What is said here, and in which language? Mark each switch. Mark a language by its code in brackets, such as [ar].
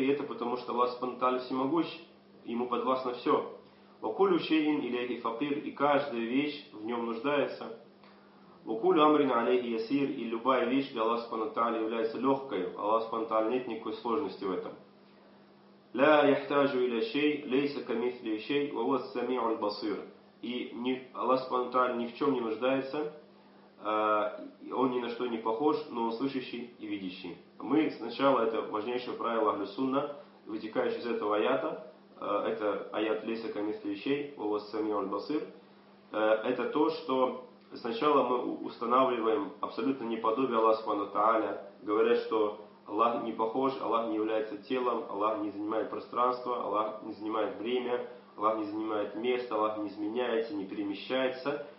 [ru] И это потому, что Аллах Субхану Тааля всемогущ, Ему подвластно все. [ar] وَكُلُّ شَيْءٍ إِلَيْهِ فَقِيرٍ. [ru] И каждая вещь в нем нуждается. [ar] وَكُلُّ أَمْرٍ عَلَيْهِ يَسِيرٍ. [ru] И любая вещь для Аллаха Субхану Тааля является легкой. Аллах Субхану Тааля нет никакой сложности в этом. [ar] لا يحتاج إلى شيء ليس كمثله شيء وهو السميع البصير. [ru] И Аллах Субхану Тааля ни в чем не нуждается, Он ни на что не похож, но Он слышащий и видящий. Мы сначала, это важнейшее правило Ахлюс-Сунна, вытекающее из этого аята, это аят «Леса камисли вещей», «Овас сами аль-басыр», это то, что сначала мы устанавливаем абсолютно неподобие Аллаха Субхану Тааля, говоря, что Аллах не похож, Аллах не является телом, Аллах не занимает пространство, Аллах не занимает время, Аллах не занимает место, Аллах не изменяется, не перемещается.